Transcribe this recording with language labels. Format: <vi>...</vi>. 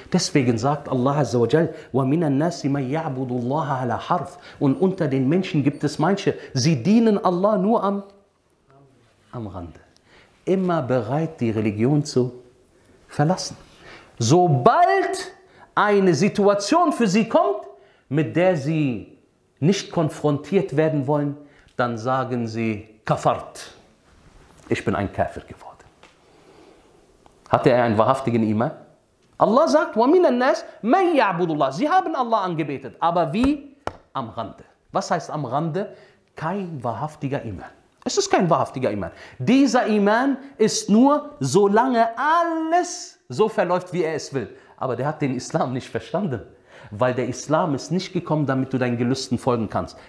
<de>Deswegen sagt Allah Azza wa Jal,</de> <ar>وَمِنَ النَّاسِ مَنْ يَعْبُدُ اللَّهَ عَلَى حَرْفٍ.</ar> <de>Und unter den Menschen gibt es manche, sie dienen Allah nur am Rande. Immer bereit, die Religion zu verlassen. Sobald eine Situation für sie kommt, mit der sie nicht konfrontiert werden wollen, dann sagen sie, kafart, ich bin ein Kafir geworden. Hatte er einen wahrhaftigen Iman? Allah sagt,</de> <ar>وَمِنَ النَّاسِ مَنْ يَعْبُدُ اللَّهِ.</ar> <de>Sie haben Allah angebetet, aber wie? Am Rande. Was heißt am Rande? Kein wahrhaftiger Iman. Es ist kein wahrhaftiger Iman. Dieser Iman ist nur, solange alles so verläuft, wie er es will. Aber der hat den Islam nicht verstanden. Weil der Islam ist nicht gekommen, damit du deinen Gelüsten folgen kannst.</de>